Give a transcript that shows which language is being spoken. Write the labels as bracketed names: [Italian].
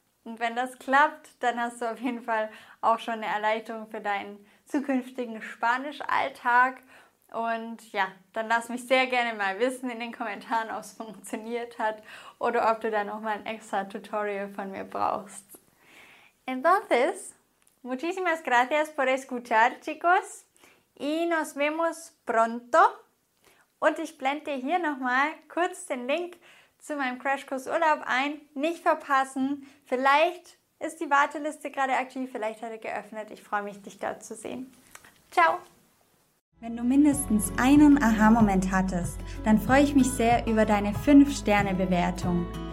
[German] Und wenn das klappt, dann hast du auf jeden Fall auch schon eine Erleichterung für deinen zukünftigen Spanisch-Alltag. Und ja, dann lass mich sehr gerne mal wissen in den Kommentaren, ob es funktioniert hat oder ob du da nochmal ein extra Tutorial von mir brauchst. [Spanish] Entonces, muchísimas gracias por escuchar, chicos, y nos vemos pronto. [German] Und ich blende hier nochmal kurz den Link zu meinem Crashkurs Urlaub ein. Nicht verpassen, vielleicht ist die Warteliste gerade aktiv, vielleicht hat er geöffnet. Ich freue mich, dich da zu sehen. Ciao! Wenn du mindestens einen Aha-Moment hattest, dann freue ich mich sehr über deine 5-Sterne-Bewertung.